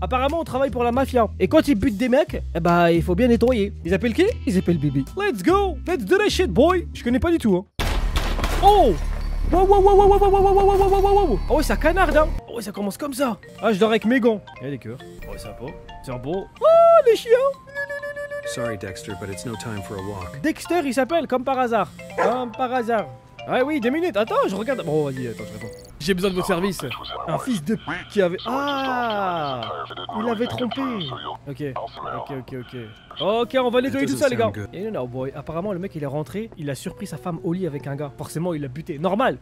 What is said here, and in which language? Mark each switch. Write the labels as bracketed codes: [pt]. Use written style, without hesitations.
[fr] Apparemment, on travaille pour la mafia, et quand ils butent des mecs, eh bah, il faut bien nettoyer. Ils appellent qui? Ils appellent Bibi. [en] Let's go! Let's do that shit, boy! [fr] Je connais pas du tout, hein. Oh! Wow, wow, wow, wow, wow, wow, wow, wow, wow, wow! Oh, ouais, ça canarde, hein! Oh, ouais, ça commence comme ça! Ah, je dors avec mes gants! Y'a des cœurs. Oh, ouais, sympa. C'est un beau. Oh, les chiens! [en] Sorry Dexter, but it's no time for a walk. [fr] Dexter, il s'appelle comme par hasard. Comme par hasard. Ah oui, des minutes. Attends, je regarde. Bon, vas-y, attends, je réponds. J'ai besoin de vos services. Un fils de p*** qui avait... Ah, il avait trompé. Ok, ok, ok, ok. Ok, on va nettoyer tout ça, les gars. Et non, non, boy. Apparemment, le mec, il est rentré. Il a surpris sa femme au lit avec un gars. Forcément, il l'a buté. Normal.